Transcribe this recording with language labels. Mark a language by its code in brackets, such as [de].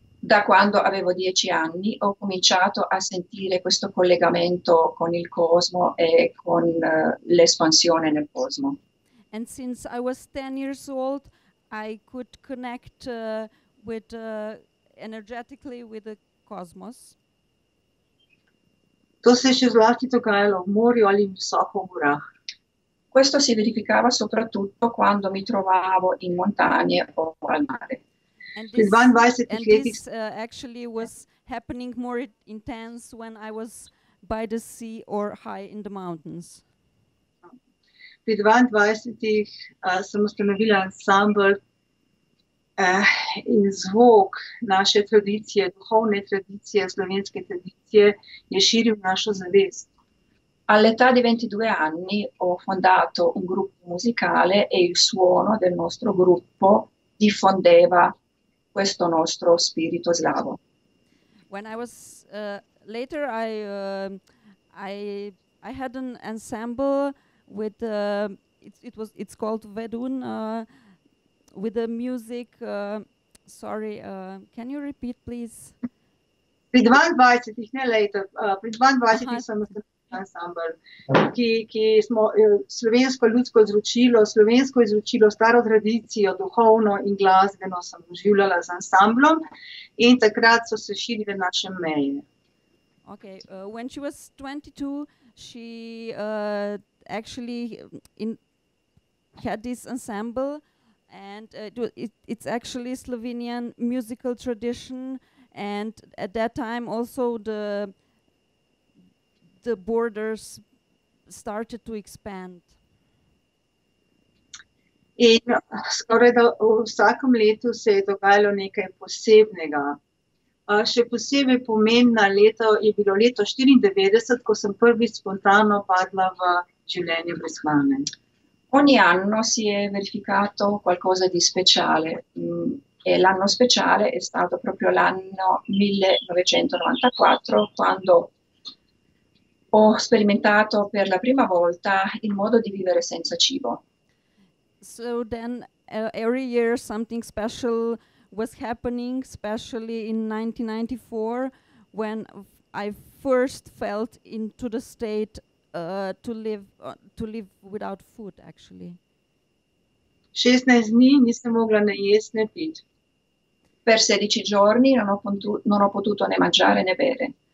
[it] Da quando avevo 10 anni ho cominciato a sentire questo collegamento con il cosmo e con l'espansione nel cosmo. [en] And since I was 10 years old I could connect with energetically with the cosmos. [sl] To se še zlasti dogajalo v morju ali visoko v gorah. [it] Questo si verificava soprattutto quando mi trovavo in montagne o al mare. [en] And this actually was happening more intense when I was by the sea or high in the mountains. [sl] Pri 22-ih sem ustanovila ansambl in zvok naše tradicije, duhovne tradicije, slovenske tradicije je širil našo zavest. [it] All'età di 22 anni ho fondato un gruppo musicale e il suono del nostro gruppo diffondeva questo nostro spirito slavo. [en] When I was later I had an ensemble with it's called Vedun with the music can you repeat please? [sl] Pri 22-ih, ne later, pri 22-ih sem ustanovila ansambl, ki smo slovensko ljudsko izročilo, staro tradicijo, duhovno in glasbeno sem oživljala z ansamblom in takrat so se širile naše meje. [en] Okay, when she was 22, she actually had this ensemble and it's actually Slovenian musical tradition. And at that time also the borders started to expand. [sl] In skoraj da v vsakem letu se je dogajalo nekaj posebnega. Še posebej pomembna leto je bilo leto 94, ko sem prvi spontano padla v življenje brez hrane. [it] Ogni anno si è verificato qualcosa di speciale. E l'anno speciale è stato proprio l'anno 1994, quando ho sperimentato per la prima volta il modo di vivere senza cibo. [en] So then every year something special was happening, especially in 1994, when I first felt into the state to live without food, actually. [sl] 16 dni nisem mogla ne jesti ne piti. [it] Per 16 giorni non ho potuto né mangiare né bere.